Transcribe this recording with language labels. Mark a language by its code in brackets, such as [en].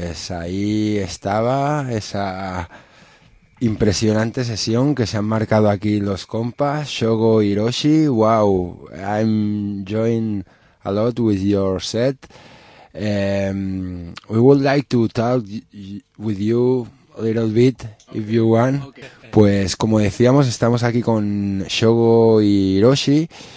[es] Ahí estaba esa impresionante sesión que se han marcado aquí los compas Shogo Hiroshi. [en] Wow, I'm enjoying a lot with your set. We would like to talk with you a little bit, okay, if you want. Okay. [es] Pues como decíamos, estamos aquí con Shogo Hiroshi.